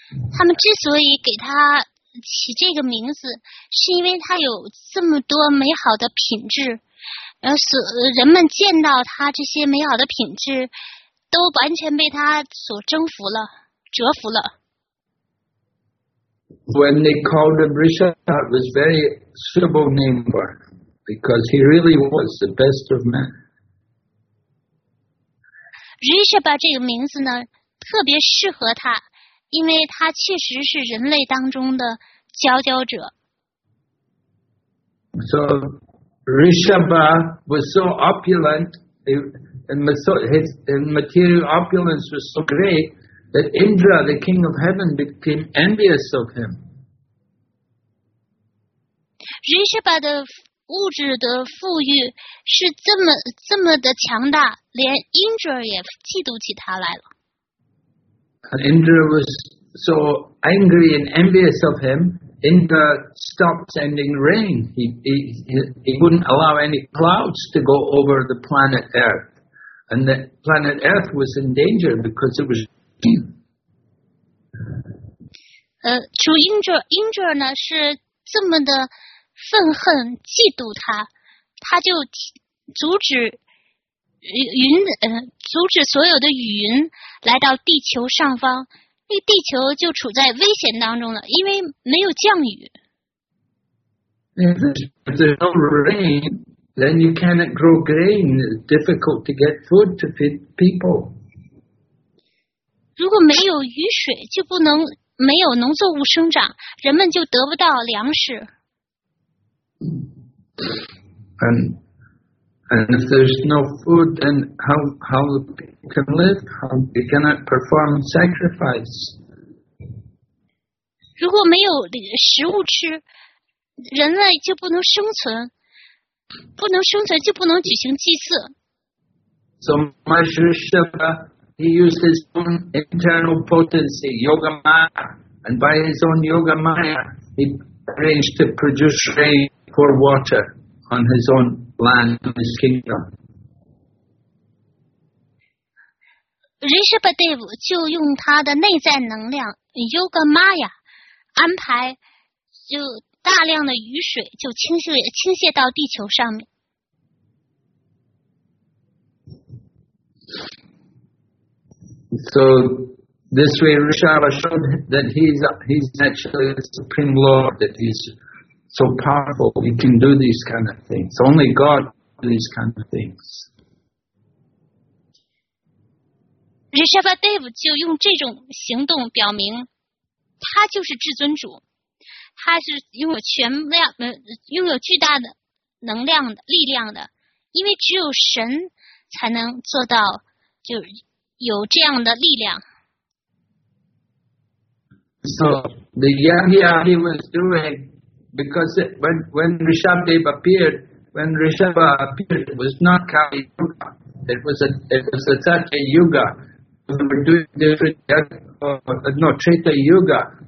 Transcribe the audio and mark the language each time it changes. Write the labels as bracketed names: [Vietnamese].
[Chinese] 他们之所以给他起这个名字，是因为他有这么多美好的品质，而人们见到他这些美好的品质，都完全被他所征服了，折服了。 [English] When they called him Rishabha, it was a very suitable name for him because he really was the best of men. [Chinese] Rishabha 这个名字呢，特别适合他，因为他确实是人类当中的佼佼者。 [English] So Rishabha was so opulent, his material opulence was so great. That Indra, the king of heaven, became envious of him. [Chinese] Rishabha 的物质的富裕是这么的强大，连 Indra 也嫉妒起他来了。 [English] Indra was so angry and envious of him. Indra stopped sending rain. He wouldn't allow any clouds to go over the planet Earth, and the planet Earth was in danger because it was. [Chinese] 主 Indra 呢是这么的愤恨嫉妒他，他就阻止所有的雨云来到地球上方，那地球就处在危险当中了，因为没有降雨。 [English] If there's no rain, then you cannot grow grain. It's difficult to get food to feed people. [Chinese] 如果没有雨水，就不能没有农作物生长，人们就得不到粮食。 [English] And if there's no food, then how can live? How they cannot perform sacrifice? [Chinese] 如果没有食物吃，人类就不能生存，不能生存就不能举行祭祀。 [English] So my Rishabha. He used his own internal potency, yoga maya, and by his own yoga maya, he arranged to produce rain for water on his own land, in his kingdom. [Chinese] Rishabha Dev 就用他的内在能量 yoga maya 安排就大量的雨水就倾泻到地球上面。 [English] So this way Rishabha showed that he's naturally the Supreme Lord, that he's so powerful, he can do these kind of things. Only God can do these kind of things. [Chinese] Rishabha Dev 就用这种行动表明他就是至尊主，他是拥有全量，拥有巨大的能量的力量的，因为只有神才能做到就有这样的力量。 [English] So the yagya he was doing, because it, when Rishabha Dev appeared, when Rishabha appeared, it was not Kali Yuga. It was a Satya Yuga. They were doing different yagya, no, Treta Yuga.